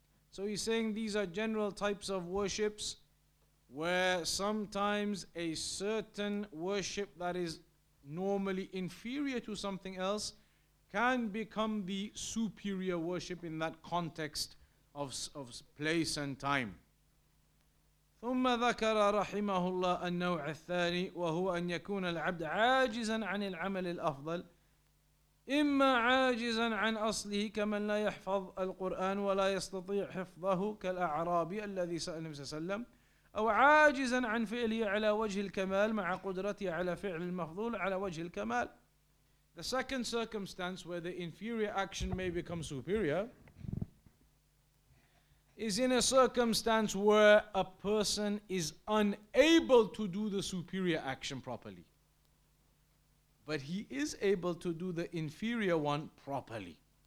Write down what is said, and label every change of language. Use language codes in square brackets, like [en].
[en] So he's saying these are general types of worships where sometimes a certain worship that is normally inferior to something else can become the superior worship in that context of place and time. [ar] ثم ذكر رحمه الله النوع الثاني وهو أن يكون العبد عاجزا عن العمل الأفضل إما عاجزا عن أصله كمن لا يحفظ القرآن ولا يستطيع حفظه كالأعرابي الذي سأل النبي صلى الله عليه وسلم أو عاجزا عن فعله على وجه الكمال مع قدرته على فعل المفضول على وجه الكمال. [en] The second circumstance where the inferior action may become superior is in a circumstance where a person is unable to do the superior action properly, but he is able to do the inferior one properly.